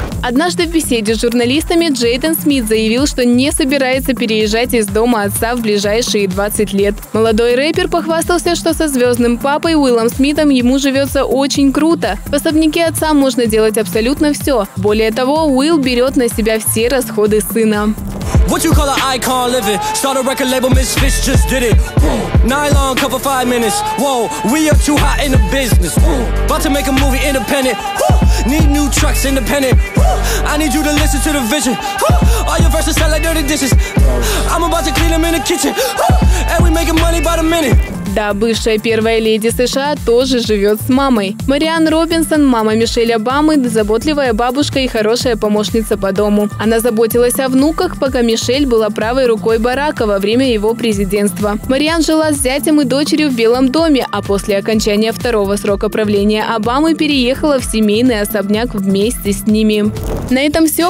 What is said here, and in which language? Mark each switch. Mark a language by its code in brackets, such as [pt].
[ru] Однажды в беседе с журналистами Джейден Смит заявил, что не собирается переезжать из дома отца в ближайшие 20 лет. Молодой рэпер похвастался, что со звездным папой Уиллом Смитом ему живется очень круто. В особняке отца можно делать абсолютно все. Более того, Уилл берет на себя все расходы сына. [en] What you call an icon living? Start a record label, Misfits just did it. Nylon cover 5 minutes. Whoa, we are too hot in the business. About to make a movie independent. Need new trucks independent. I need you to listen to the vision. All your verses sound like dirty dishes. I'm about to clean them in the kitchen. And we making money by the minute. [ru] Да, бывшая первая леди США тоже живет с мамой. Мариан Робинсон, мама Мишель Обамы, заботливая бабушка и хорошая помощница по дому. Она заботилась о внуках, пока Мишель была правой рукой Барака во время его президентства. Мариан жила с зятем и дочерью в Белом доме, а после окончания второго срока правления Обамы переехала в семейный особняк вместе с ними. На этом все.